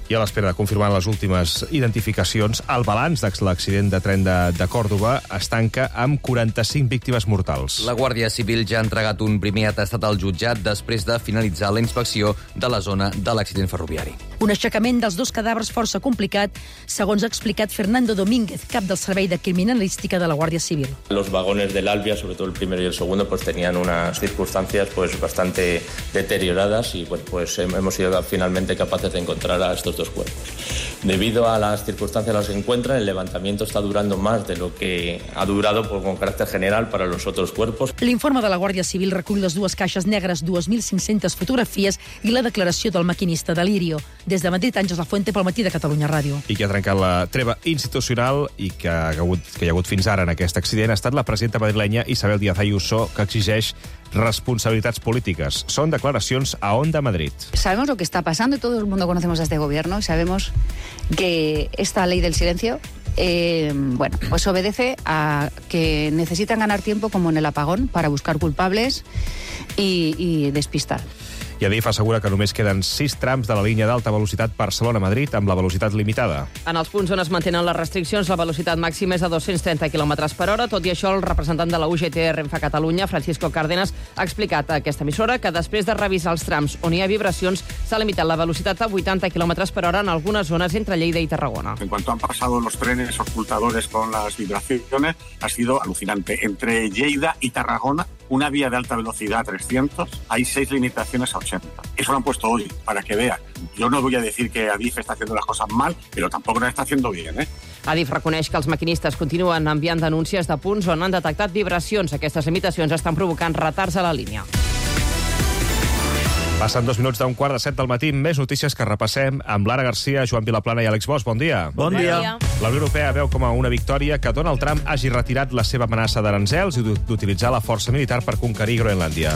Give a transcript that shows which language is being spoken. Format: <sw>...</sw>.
<ca>I a l'espera de confirmar les últimes identificacions, el balanç de l'accident de tren de Còrdoba es tanca amb 45 víctimes mortals. La Guàrdia Civil ja ha entregat un primer atestat al jutjat després de finalitzar la inspecció de la zona de l'accident ferroviari. Un aixecament dels dos cadàvers força complicat, segons ha explicat Fernando Domínguez, cap del Servei de Criminalística de la Guàrdia Civil.</ca> <es>Los vagones del Albia, sobre todo el primero y el segundo, pues tenían unas circunstancias pues bastante deterioradas y pues hemos sido finalmente capaces de encontrar a estos dos cuerpos. Debido a las circunstancias en las que encuentran, el levantamiento está durando más de lo que ha durado pues, con carácter general para los otros cuerpos.</es> <ca>L'informe de la Guàrdia Civil recull les dues caixes negres, 2.500 fotografies i la declaració del maquinista de l'Irio. Des de Madrid, Àngels Lafuente, pel matí de Catalunya Ràdio. I qui ha trencat la treva institucional i que hi ha hagut fins ara en aquest accident ha estat la presidenta madrilenya Isabel Díaz Ayuso, que exigeix responsabilitats polítiques. Són declaracions a Onda Madrid.</ca> <es>Sabemos lo que está pasando y todo el mundo conocemos a este gobierno. Sabemos que esta ley del silencio pues obedece a que necesitan ganar tiempo como en el apagón para buscar culpables y despistar.</es> <ca>I Adif assegura que només queden 6 trams de la línia d'alta velocitat Barcelona-Madrid amb la velocitat limitada. En els punts on es mantenen les restriccions, la velocitat màxima és de 230 km per hora. Tot i això, el representant de la UGT Renfe Catalunya, Francisco Cárdenas, ha explicat a aquesta emissora que després de revisar els trams on hi ha vibracions, s'ha limitat la velocitat a 80 km per hora en algunes zones entre Lleida i Tarragona.</ca> <es>En cuanto han pasado los trenes ocultadores con las vibraciones, ha sido alucinante. Entre Lleida y Tarragona, una vía de alta velocidad 300, hay 6 limitaciones a 80. Eso lo han puesto hoy, para que vean. Yo no voy a decir que Adif está haciendo las cosas mal, pero tampoco las está haciendo bien, ¿eh?</es> <ca>Adif reconeix que els maquinistes continuen enviant denúncies de punts on han detectat vibracions. Aquestes limitacions estan provocant retards a la línia. Passen 2 minuts d'un quart de 7 del matí. Més notícies que repassem amb Lara García, Joan Vilaplana i Àlex Bosch. Bon dia. Bon dia. La Unió Europea veu com a una victòria que Donald Trump hagi retirat la seva amenaça d'aranzels i d'utilitzar la força militar per conquerir Groenlàndia.</ca>